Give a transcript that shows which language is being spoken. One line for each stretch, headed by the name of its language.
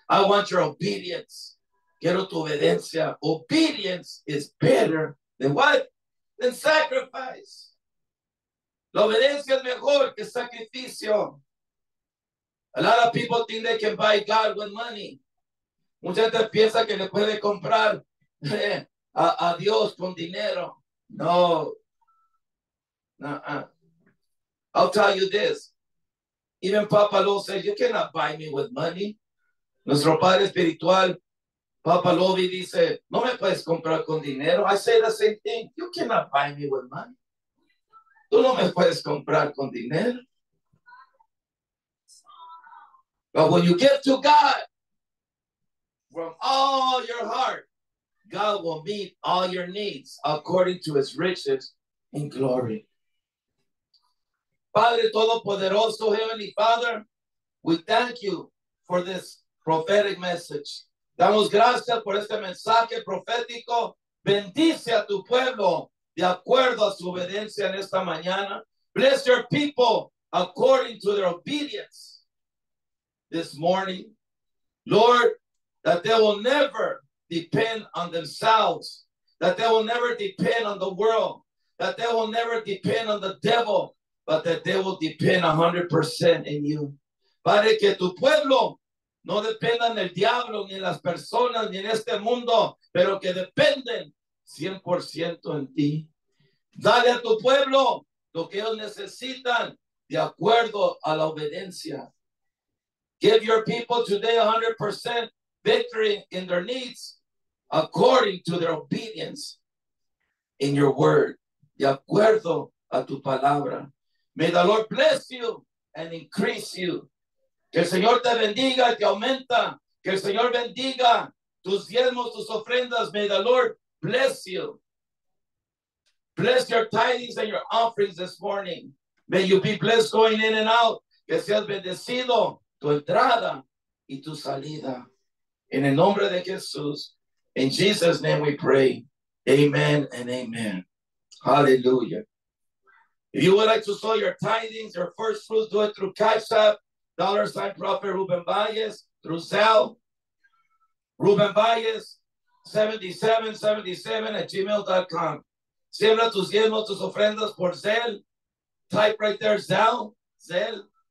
English: I want your obedience.
Spanish: Quiero tu obediencia.
English: Obedience is better than what? Than sacrifice.
Spanish: La obediencia es mejor que sacrificio.
English: A lot of people think they can buy God with money.
Spanish: Mucha gente piensa que le puede comprar a Dios con dinero.
English: No. Nuh-uh. I'll tell you this. Even Papa Lo says, you cannot buy me with money.
Spanish: Nuestro padre espiritual, Papa Lobby, dice, no me puedes comprar con dinero.
English: I say the same thing. You cannot buy me with money.
Spanish: Tú no me puedes comprar con dinero.
English: But when you give to God from all your heart, God will meet all your needs according to his riches in glory.
Spanish: Padre Todopoderoso,
English: Heavenly Father, we thank you for this prophetic message.
Spanish: Damos gracias por este mensaje profético. Bendice a tu pueblo de acuerdo a su obediencia en esta mañana.
English: Bless your people according to their obedience this morning. Lord, that they will never depend on themselves, that they will never depend on the world, that they will never depend on the devil, but that they will depend 100% in you.
Spanish: Padre, que tu pueblo no dependa en el diablo, ni en las personas, ni en este mundo, pero que dependen 100% en ti. Dale a tu pueblo lo que ellos necesitan de acuerdo a la obediencia.
English: Give your people today 100% victory in their needs according to their obedience in your word.
Spanish: De acuerdo a tu palabra.
English: May the Lord bless you and increase you.
Spanish: Que el Señor te bendiga y te aumenta. Que el Señor bendiga tus diezmos, tus ofrendas.
English: May the Lord bless you. Bless your tithings and your offerings this morning. May you be blessed going in and out.
Spanish: Que seas bendecido tu entrada y tu salida. En el nombre de Jesús,
English: in Jesus' name we pray. Amen and amen. Hallelujah. If you would like to sow your tithings, your first fruits, do it through Cash App, $ Prophet Ruben Valles, through Zelle, Ruben Valles, 7777@gmail.com.
Spanish: Siembra tus diezmos, tus ofrendas por Zelle.
English: Type right there, Zelle, Zelle.